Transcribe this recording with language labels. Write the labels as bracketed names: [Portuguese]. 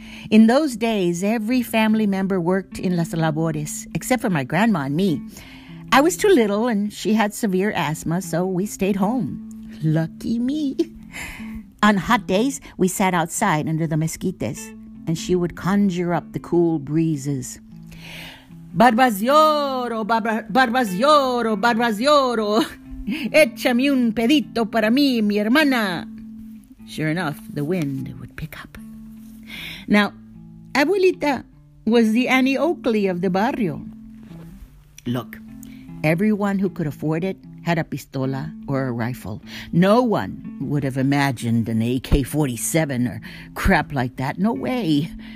[English] In those days, every family member worked in Las Labores, except for my grandma and me. I was too little, and she had severe asthma, so we stayed home. Lucky me. On hot days, we sat outside under the mezquites, and she would conjure up the cool breezes. [Spanish] Barbazioro, échame un pedito para mí, mi hermana. [English] Sure enough, the wind would pick up. Now, Abuelita was the Annie Oakley of the barrio. Look, everyone who could afford it had a pistola or a rifle. No one would have imagined an AK-47 or crap like that. No way.